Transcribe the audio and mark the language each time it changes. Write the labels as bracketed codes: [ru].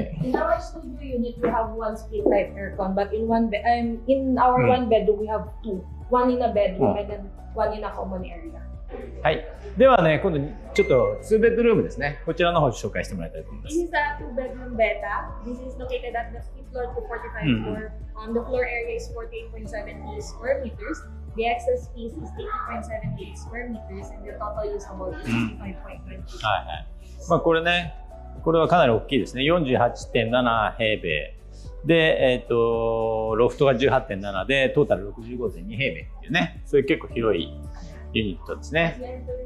[en] In our studio, you need to have one split type aircon, but in one bed, in our one bedroom, we have two. One in a bedroom and then one in a common area. [ja] はい。ではね、今度ちょっと2ベッドルームですね。こちらの方紹介してもらいたいと思います。 [en] This is a two bedroom beta. This is located at the floor 245. The floor area is 48.78 square meters. The excess space is 80.78 square meters, and the total use of all is 65.20. [ja] はいはい。まあこれね、これはかなり大きいですね。 48.7平米で、ロフトが 18.7 でトータル 65.2 平米っていうね、それ結構広いユニットですね。